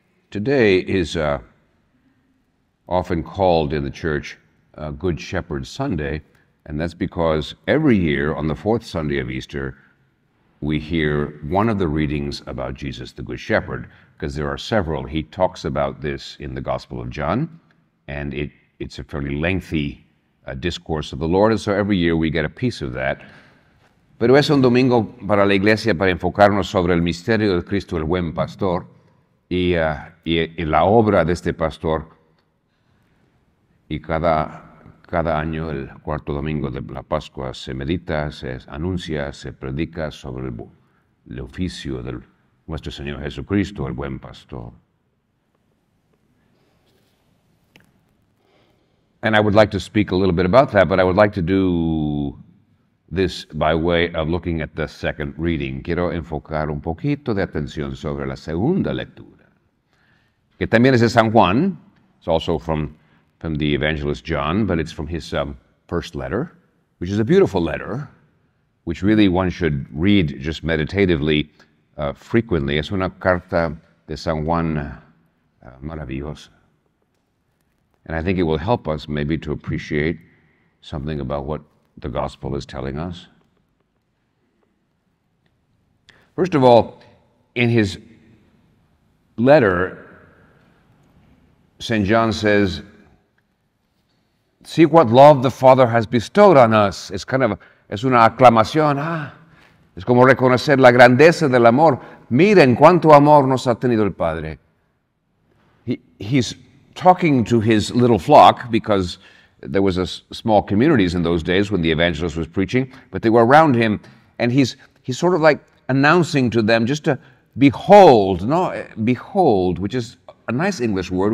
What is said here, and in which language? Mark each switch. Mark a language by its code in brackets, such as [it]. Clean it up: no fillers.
[en] Today is often called in the church Good Shepherd Sunday, and that's because every year on the fourth Sunday of Easter, we hear one of the readings about Jesus the Good Shepherd, because there are several. He talks about this in the Gospel of John, and it's a fairly lengthy discourse of the Lord, and so every year we get a piece of that. [es] Pero es un domingo para la iglesia para enfocarnos sobre el misterio de Cristo, el buen pastor, y la obra de este pastor. Y cada año, el cuarto domingo de la Pascua, se medita, se anuncia, se predica sobre el oficio de nuestro Señor Jesucristo, el buen pastor. [en] And I would like to speak a little bit about that, but I would like to do this by way of looking at the second reading. [es] Quiero enfocar un poquito de atención sobre la segunda lectura, que también es de San Juan. [en] It's also from the evangelist John, but it's from his first letter, which is a beautiful letter, which really one should read just meditatively, frequently. [es] Es una carta de San Juan maravillosa. [en] And I think it will help us maybe to appreciate something about what the gospel is telling us. First of all, in his letter, St. John says, see what love the Father has bestowed on us. It's kind of, [es] es una aclamación, ah. Es como reconocer la grandeza del amor. Miren cuánto amor nos ha tenido el Padre. [en] He's talking to his little flock, because there was a small communities in those days when the evangelist was preaching, but they were around him, and he's sort of like announcing to them just to behold, no, behold, which is a nice English word.